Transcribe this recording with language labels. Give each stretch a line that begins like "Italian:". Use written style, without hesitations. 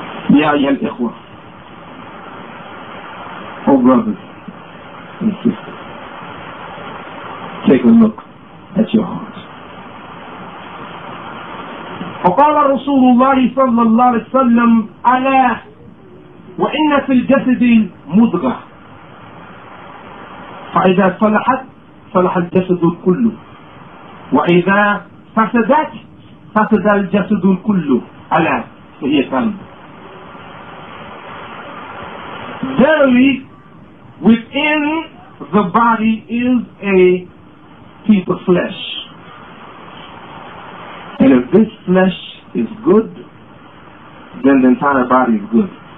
Arabic: يا أيها الإخوة,
English: O brothers and sisters, take a look at your hearts.
Arabic: وقال رسول الله صلى الله عليه وسلم ألا وإن في الجسد مضغة فإذا صلحت صلح الجسد كله وإذا فسدت فسد الجسد كله ألا فهي قلب.
English: Verily, within the body is a piece of flesh. And if this flesh is good, then the entire body is good.